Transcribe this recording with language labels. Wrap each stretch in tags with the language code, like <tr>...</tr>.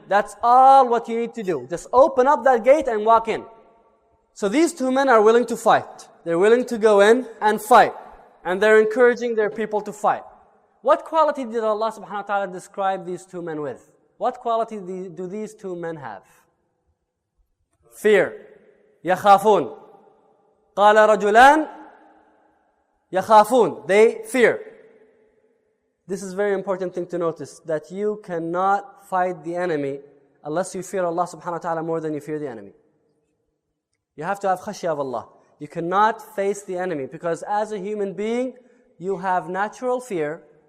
<en>That's all what you need to do. Just open up that gate and walk in. So these two men are willing to fight. They're willing to go in and fight. And they're encouraging their people to fight. What quality did Allah subhanahu wa ta'ala describe these two men with? What quality do these two men have? Fear.</en> <ar>يَخَافُونَ قَالَ رَجُلَانَ يَخَافُونَ</ar> <en>They fear. This is a very important thing to notice, that you cannot fight the enemy unless you fear Allah subhanahu wa ta'ala more than you fear the enemy. You have to have khashya of Allah. You cannot face the enemy, because as a human being, you have natural fear.</en>